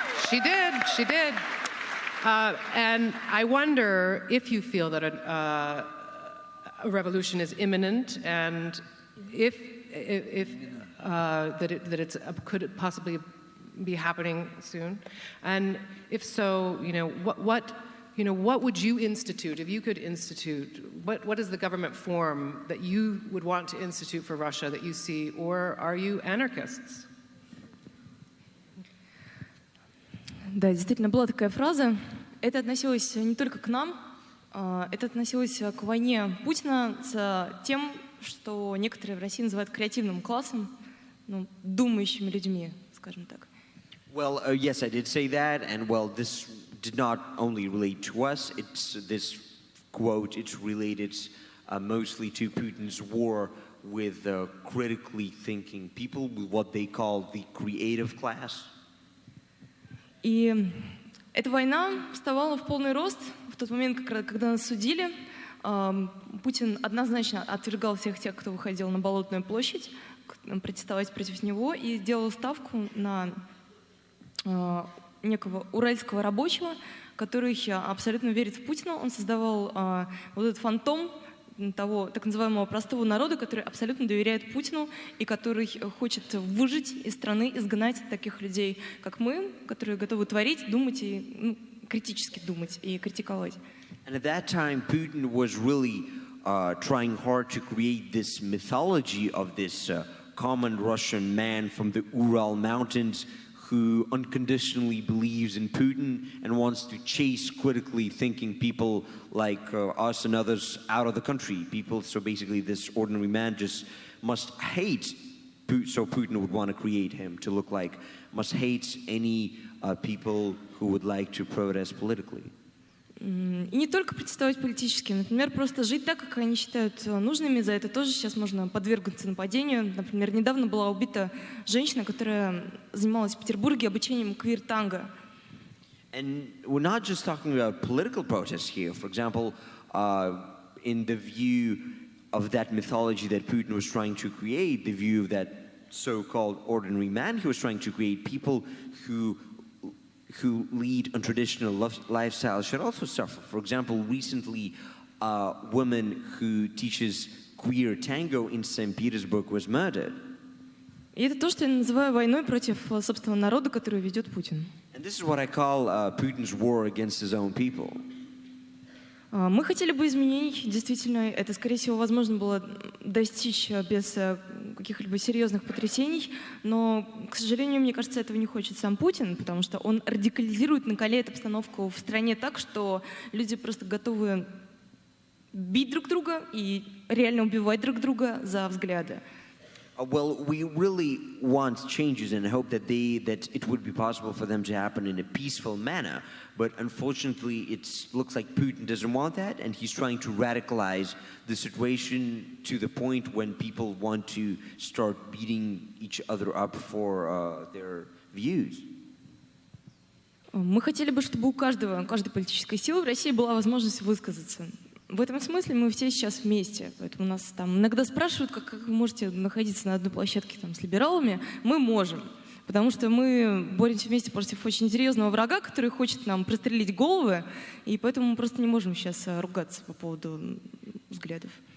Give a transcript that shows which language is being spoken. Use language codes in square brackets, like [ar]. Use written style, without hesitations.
[en] She did. She did. And I wonder if you feel that a revolution is imminent, and if it could possibly be happening soon, and if so, you know what. You know, what would you institute, if you could institute, what is the government form that you would want to institute for Russia that you see, or are you anarchists? [ru] Да, действительно, была такая фраза. Это относилось не только к нам, это относилось к войне Путина с тем, что некоторые в России называют креативным классом, ну, думающими людьми, скажем так. [en] Well, yes, I did say that, and well, this did not only relate to us, it's this quote, it's related mostly to Putin's war with critically thinking people, with what they call the creative class. [ru] И эта война вставала в полный рост в тот момент, когда нас судили. Путин однозначно отвергал всех тех, кто выходил на Болотную площадь протестовать против него, и сделал ставку на некого уральского рабочего, который абсолютно верит в Путина. Он создавал вот этот фантом того так называемого простого народа, который абсолютно доверяет Путину и который хочет выжить из страны, изгнать таких людей, как мы, которые готовы творить, думать и критически думать и критиковать. [en] And at that time Putin was really trying hard to create this mythology of this common Russian man from the Ural Mountains who unconditionally believes in Putin and wants to chase critically thinking people like us and others out of the country. People, so basically this ordinary man just must hate Putin, so Putin would want to create him to look like, must hate any people who would like to protest politically. [ru] И не только протестовать политически, например, просто жить так, как они считают нужными, за это тоже сейчас можно подвергнуться нападению. Например, недавно была убита женщина, которая занималась в Петербурге обучением квир-танго. [en] And we're not just talking about political protests here. For example, in the view of that mythology that Putin was trying to create, the view of that so-called ordinary man he was trying to create, people who lead untraditional lifestyles should also suffer. For example, recently, a woman who teaches queer tango in St. Petersburg was murdered. And this is what I call Putin's war against his own people. [ru] Мы хотели бы изменений, действительно, это, скорее всего, возможно было достичь без каких-либо серьезных потрясений, но, к сожалению, мне кажется, этого не хочет сам Путин, потому что он радикализирует, накаляет обстановку в стране так, что люди просто готовы бить друг друга и реально убивать друг друга за взгляды. [en] Well, we really want changes and hope that that it would be possible for them to happen in a peaceful manner. But unfortunately, it looks like Putin doesn't want that, and he's trying to radicalize the situation to the point when people want to start beating each other up for their views. [ru] Мы хотели бы, чтобы у каждого, каждой политической силы в России была возможность высказаться. В этом смысле мы все сейчас вместе, поэтому нас там иногда спрашивают, как вы можете находиться на одной площадке там, с либералами. Мы можем, потому что мы боремся вместе против очень серьезного врага, который хочет нам прострелить головы, и поэтому мы просто не можем сейчас ругаться по поводу взглядов.